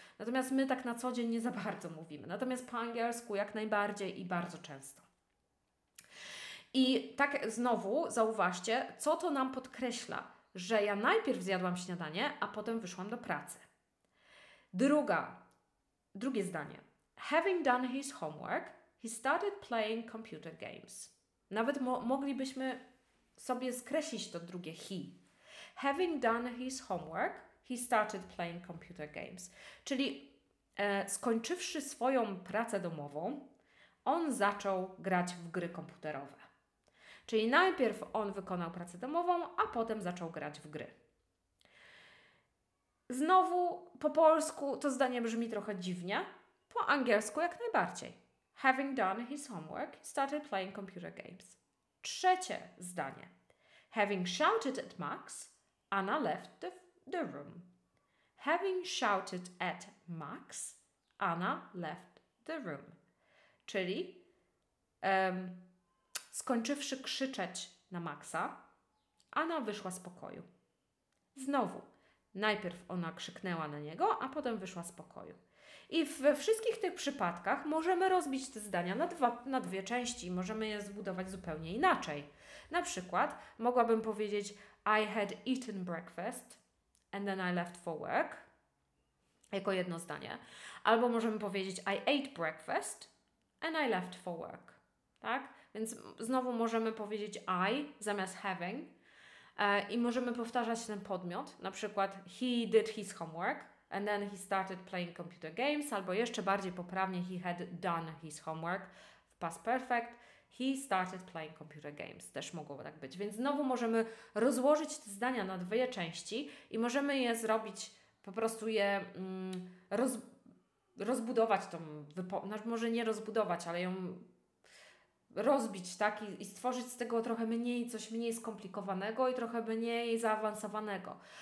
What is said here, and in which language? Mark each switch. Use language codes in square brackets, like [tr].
[pl] Natomiast my tak na co dzień nie za bardzo mówimy. Natomiast po angielsku jak najbardziej i bardzo często. I tak znowu zauważcie, co to nam podkreśla, że ja najpierw zjadłam śniadanie, a potem wyszłam do pracy. Drugie zdanie. [en] Having done his homework, he started playing computer games. [pl] Nawet moglibyśmy sobie skreślić to drugie he. [en] Having done his homework, he started playing computer games. [pl] Czyli skończywszy swoją pracę domową, on zaczął grać w gry komputerowe. Czyli najpierw on wykonał pracę domową, a potem zaczął grać w gry. Znowu po polsku to zdanie brzmi trochę dziwnie, po angielsku jak najbardziej. [en] Having done his homework, started playing computer games. [pl] Trzecie zdanie. [en] Having shouted at Max, Anna left the room. Having shouted at Max, Anna left the room. [pl] Czyli skończywszy krzyczeć na Maxa, Anna wyszła z pokoju. Znowu, najpierw ona krzyknęła na niego, a potem wyszła z pokoju. I we wszystkich tych przypadkach możemy rozbić te zdania na dwie części. Możemy je zbudować zupełnie inaczej. Na przykład mogłabym powiedzieć [en] I had eaten breakfast and then I left for work. [pl] jako jedno zdanie. Albo możemy powiedzieć [en] I ate breakfast and I left for work. Tak? [pl] Więc znowu możemy powiedzieć I zamiast having i możemy powtarzać ten podmiot. Na przykład [en] he did his homework and then he started playing computer games. [pl] Albo jeszcze bardziej poprawnie [en] he had done his homework w past perfect. He started playing computer games. [pl] Też mogło tak być. Więc znowu możemy rozłożyć te zdania na dwie części i możemy je zrobić, po prostu je rozbudować tą wypowiedź. Może nie rozbudować, ale ją rozbić, tak? I stworzyć z tego trochę mniej, coś mniej skomplikowanego i trochę mniej zaawansowanego.